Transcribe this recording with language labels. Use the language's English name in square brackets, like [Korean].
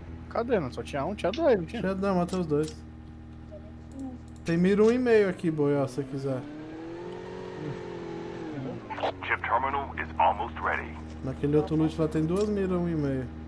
[Portuguese] Cadê, mano? Só tinha um, tinha dois, não tinha? Não, matei os dois. Tem mira um e meio aqui, boi, ó, se você quiser. [English] Chip terminal is almost ready. [Portuguese] Naquele outro loot lá tem duas miras, um e meio.